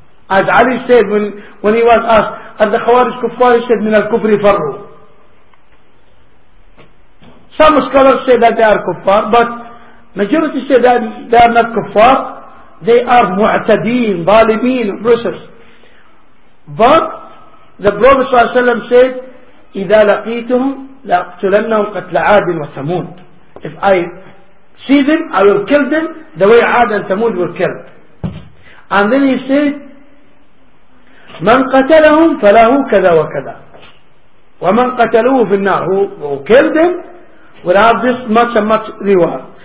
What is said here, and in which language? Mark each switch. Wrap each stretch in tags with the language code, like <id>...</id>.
<en>As Ali said when he was asked, are the Khawarij kuffar? He said, min al-kufri farru. Some scholars say that they are kuffar, but majority say that they are not kuffar. They are mu'tadeen, balimeen, oppressors. But the Prophet ﷺ said,</en> <ar>إِذَا لَقِيتُهُمْ لَأَقْتُلَنَّهُمْ قَتْلَ عَادٍ وَثَمُونَ.</ar> <en>If I see them, I will kill them the way Ad and Thamud were killed. And then he said,</en> <ar>مَنْ قَتَلَهُمْ فَلَهُ كَذَا وَكَذَا وَمَنْ قَتَلُوهُ فِي النَّارِ.</ar> <en>Who killed them will have this much and much reward.</en>